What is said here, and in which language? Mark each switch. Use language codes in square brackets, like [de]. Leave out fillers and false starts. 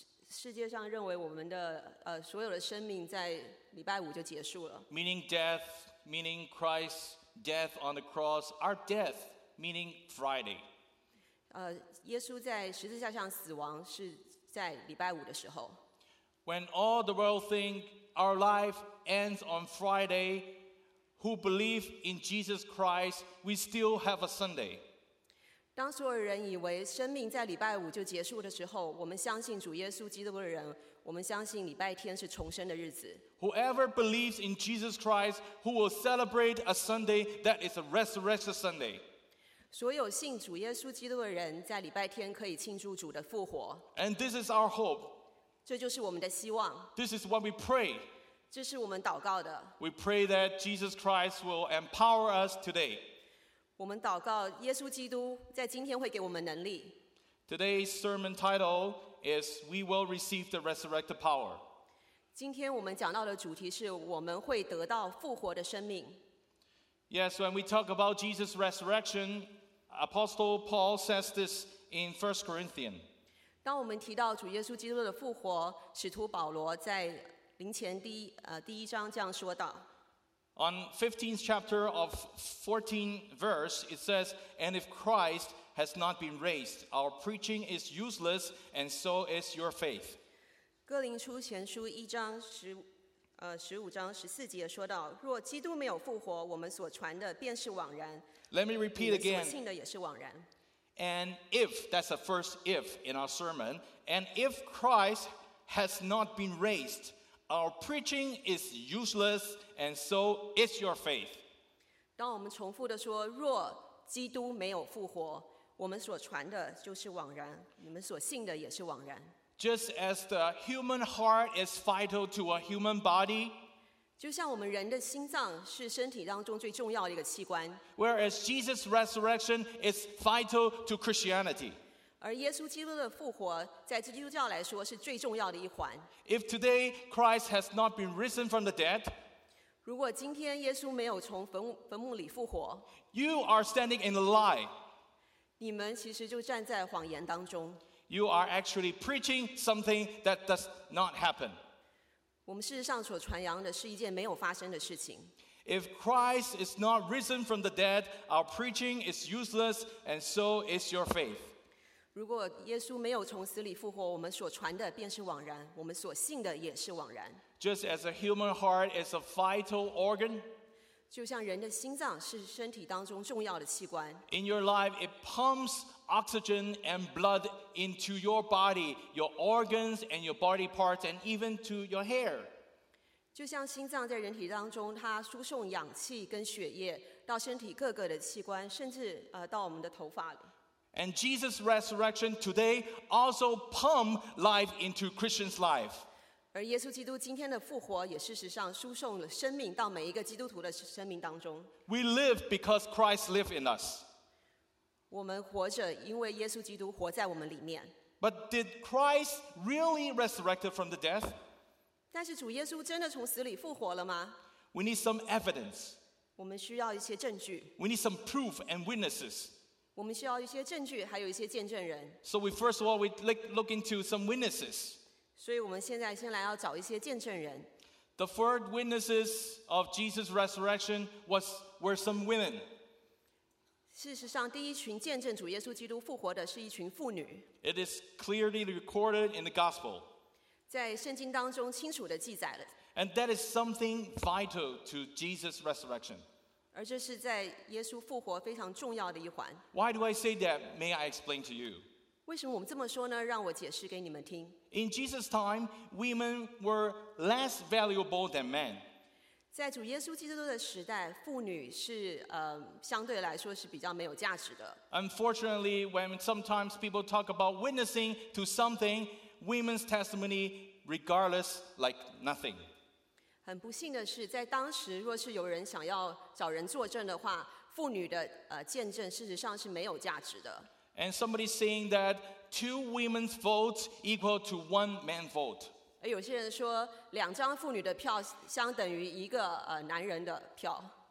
[zh] 世界上认为我们的所有的生命在礼拜五就结束了。 [en] Meaning death, meaning Christ's death on the cross, our death, meaning Friday. [zh] 耶稣在十字架上死亡是在礼拜五的时候。 [en] When all the world think our life ends on Friday, who believe in Jesus Christ, we still have a Sunday. [zh] 当所有人以为生命在礼拜五就结束的时候，我们相信主耶稣基督的人，我们相信礼拜天是重生的日子。 [en] Whoever believes in Jesus Christ, who will celebrate a Sunday that is a resurrected Sunday. [zh] 所有信主耶稣基督的人，在礼拜天可以庆祝主的复活。 [en] And this is our hope. [zh] 这就是我们的希望。 [en] This is what we pray. [zh] 这是我们祷告的。 [en] We pray that Jesus Christ will empower us today. [zh] 我们祷告耶稣基督在今天会给我们能力。 [en] Today's sermon title is We Will Receive the Resurrected Power. [zh] 今天我们讲到的主题是我们会得到复活的生命。 [en] Yes, when we talk about Jesus' resurrection, Apostle Paul says this in 1 Corinthians. [zh] 当我们提到主耶稣基督的复活，使徒保罗在林前第一章这样说道。 [en] On 15th chapter of 14th verse, it says, And if Christ has not been raised, our preaching is useless, and so is your faith. [zh] 哥林初前书一章十五章十四节说到，若基督没有复活，我们所传的便是枉然。 [en] Let me repeat again. [zh] 你们所信的也是枉然。 [en] And if, that's the first if in our sermon, and if Christ has not been raised, our preaching is useless, and so is your faith. [zh] 当我们重复地说，若基督没有复活，我们所传的就是枉然，你们所信的也是枉然。 [en] Just as the human heart is vital to a human body, [zh] 就像我们人的心脏是身体当中最重要的一个器官。 [en] Whereas Jesus' resurrection is vital to Christianity. [zh] 而耶稣基督的复活在基督教来说是最重要的一环。 [en] If today Christ has not been risen from the dead, [zh] 如果今天耶稣没有从坟墓里复活， [en] you are standing in a lie. [zh] 你们其实就站在谎言当中。 [en] You are actually preaching something that does not happen. [zh] 我们事实上所传扬的是一件没有发生的事情。 [en] If Christ is not risen from the dead, our preaching is useless, and so is your faith. [zh] 如果耶稣没有从死里复活，我们所传的便是枉然，我们所信的也是枉然。 [en] Just as a human heart is a vital organ, [zh] 就像人的心脏是身体当中重要的器官。 [en] In your life, it pumps oxygen and blood into your body, your organs and your body parts, and even to your hair. [zh] 就像心脏在人体当中，它输送氧气跟血液到身体各个的器官，甚至到我们的头发里。 [en] And Jesus' resurrection today also pumps life into Christians' life. [zh] 而耶稣基督今天的复活也事实上输送了生命到每一个基督徒的生命当中。 [en] We live because Christ lives in us. [zh] 我们活着因为耶稣基督活在我们里面。 [en] But did Christ really resurrected from the dead? [zh] 但是主耶稣真的从死里复活了吗？ [en] We need some evidence. [zh] 我们需要一些证据。 [en] We need some proof and witnesses. [zh] 我们需要一些证据，还有一些见证人。 [en] So we first of all we look into some witnesses. [zh] 所以我们现在先来要找一些见证人。 [en] The first witnesses of Jesus' resurrection were some women. [zh] 事实上，第一群见证主耶稣基督复活的是一群妇女。 [en] It is clearly recorded in the gospel. [zh] 在圣经当中清楚地记载了。 [en] And that is something vital to Jesus' resurrection. [zh] 而这是在耶稣复活非常重要的一环。 [en] Why do I say that? May I explain to you? [zh] 为什么我们这么说呢？让我解释给你们听。 [en] In Jesus' time, women were less valuable than men. [zh] 在主耶稣基督的时代，妇女是相对来说是比较没有价值的。 [en] Unfortunately, when sometimes people talk about witnessing to something, women's testimony, regardless, like nothing. [zh] 很不幸的是，在当时，若是有人想要找人作证的话，妇女的见证事实上是没有价值的。 [en] And somebody saying that two women's votes equal to one man vote. [zh] 而有些人说，两张妇女的票相等于一个男人的票。